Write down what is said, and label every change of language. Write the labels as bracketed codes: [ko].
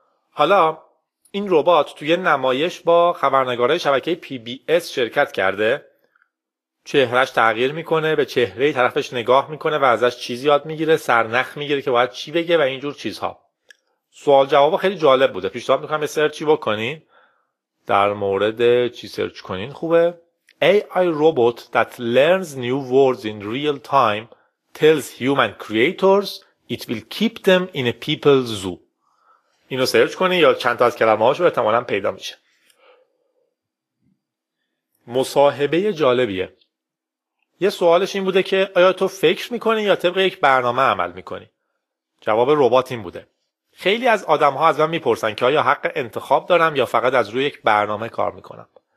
[fa] حالا این ربات توی نمایش با خبرنگارای شبکه PBS شرکت کرده. چهرهش تغییر میکنه، به چهره طرفش نگاه میکنه و ازش چیزی یاد میگیره، سرنخ میگیره که باید چی بگه و اینجور چیزها. سوال جواب خیلی جالب بوده. پیشنهاد میکنم یه سرچی بکنین در مورد چی سرچ کنین خوبه. [en] AI robot that learns new words in real time tells human creators it will keep them in a people zoo. [fa] اینو سرچ کنین یا چند تا از کلمه هاشو احتمالاً پیدا میشه. مصاحبه جالبیه. یه سوالش این بوده که آیا تو فکر میکنی یا طبق یک برنامه عمل میکنی؟ جواب ربات این بوده. خیلی از آدم ها از من میپرسن که آیا حق انتخاب دارم یا فقط از روی یک برنامه کار میکنم.